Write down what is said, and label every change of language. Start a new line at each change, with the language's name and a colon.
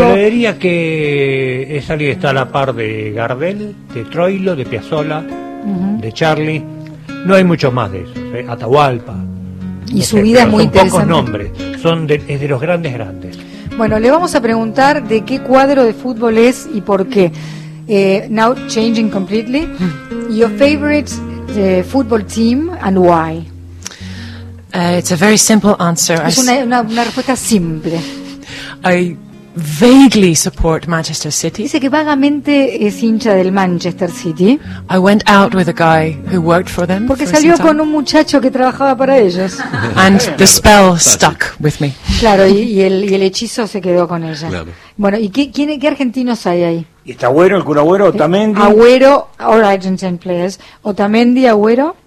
Spanish: Pero le diría que es alguien que está a la par de Gardel, de Troilo, de Piazzolla, de Charlie. No hay muchos más de esos, Atahualpa. Y no su sé, vida es muy interesante. Son pocos nombres, es de los grandes grandes. Bueno, le vamos a preguntar de qué cuadro de fútbol es y por qué.
English: Now changing completely, your favorite football team and why? It's a very simple answer.
Spanish: Es una respuesta simple.
English: I vaguely support Manchester City.
Spanish: Dice que vagamente es hincha del Manchester City.
English: I went out with a guy who worked for them.
Spanish: Porque salió con un muchacho que trabajaba para ellos.
English: And the spell stuck with me.
Spanish: Claro, y el hechizo se quedó con ella. Claro. Bueno, ¿y qué argentinos hay ahí? Está Agüero, el Kun Agüero, Otamendi.
English: Agüero, all Argentine players. Otamendi, Agüero.